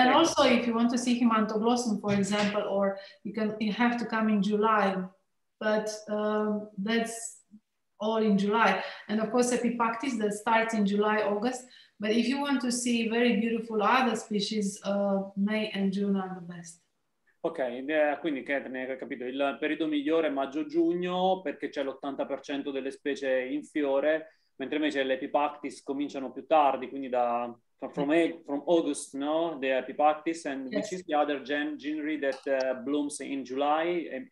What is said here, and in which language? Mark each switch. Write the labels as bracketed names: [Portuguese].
[English] And also if you want to see Himantoglossum, for example, or you have to come in July, but that's all in July. And of course, Epipactis that starts in July, August. But if you want to see very beautiful other species, May and June are the best. [Italian] Ok, quindi Catherine, hai capito, il periodo migliore è maggio-giugno perché c'è l'80% delle specie in fiore, mentre invece le Epipactis cominciano più tardi, quindi da... [English] From August, no, the Epipactis, and yes. Which is the other genre that blooms in July?